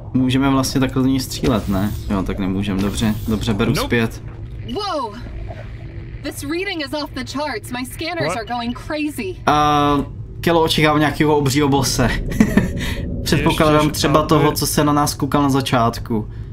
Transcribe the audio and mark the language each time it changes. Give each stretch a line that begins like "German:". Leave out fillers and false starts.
Czech: Můžeme vlastně takhle do ní střílet, ne? Jo, tak nemůžem. Dobře, beru zpět. Wow.
English: This reading is off the charts. My scanners are going crazy.
Czech: Kelo, očekávám nějakého obřího bose. Předpokládám třeba toho, co se na nás koukal na začátku.